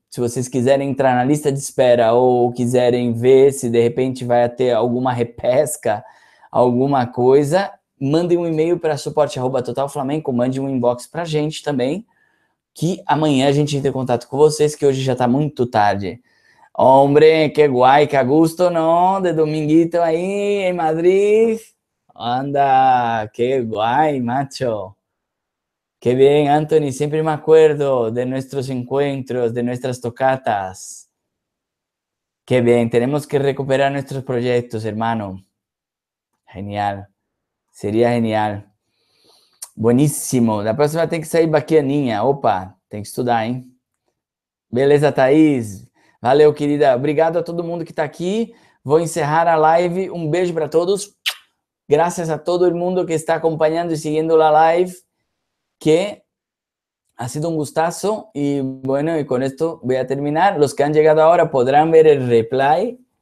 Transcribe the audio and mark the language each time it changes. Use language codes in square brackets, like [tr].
[pt] Se vocês quiserem entrar na lista de espera ou quiserem ver se de repente vai ter alguma repesca, alguma coisa, mandem um e-mail para suporte@totalflamenco, mande um inbox para gente também, que amanhã a gente entra em contato com vocês, que hoje já está muito tarde. [es] Hombre, que guay, que gusto, [pt] não? De dominguito aí, em Madrid. [es] Anda, que guay, macho. [pt] Que bem, [es] Anthony, sempre me acuerdo de nuestros encuentros, de nuestras tocatas. [pt] Que bem, temos que recuperar [es] nuestros [pt] projetos, [es] hermano. [pt] Genial, seria genial. Buenísimo, da próxima tem que sair baquianinha. Opa, tem que estudar, hein? Beleza, Thaís. Valeu, querida. Obrigado a todo mundo que está aqui. Vou encerrar a live. Um beijo para todos. Graças a todo mundo que está acompanhando e seguindo a live. [es] Que ha sido um gustazo. [pt] E, bueno, e com isso vou terminar. [es] Los que han llegado [pt] agora podrão ver o replay.